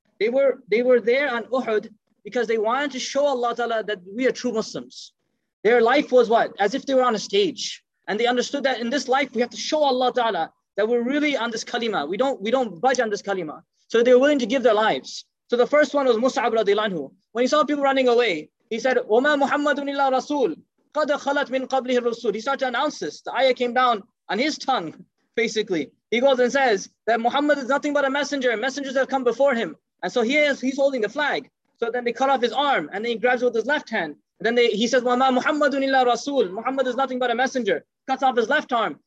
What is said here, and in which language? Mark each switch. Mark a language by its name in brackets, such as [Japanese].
[English] They were there on Uhud because they wanted to show Allah ta'ala that we are true Muslims. Their life was what? As if they were on a stage. And they understood that in this life, we have to show Allah ta'ala that we're really on this kalima. We don't budge on this kalima. So they were willing to give their lives. So the first one was Mus'ab radiallahu anhu. When he saw people running away, he said, [Arabic] وَمَا مُحَمَّدٌ إِلَّا رَسُولٌ قَدَ خَلَتْ مِنْ قَبْلِهِ الرَّسُولِ. [English] He started to announce this. The ayah came down on his tongue, basically. He goes and says that Muhammad is nothing but a messenger. Messengers have come before him. And so he is, he's holding the flag. So then they cut off his arm and then he grabs it with his left hand. And then he says, [Arabic] وَمَا مُحَمَّدٌ إِلَّا رَسُولٌ. [English] Muhammad is nothing but a messenger. Cuts off his left arm.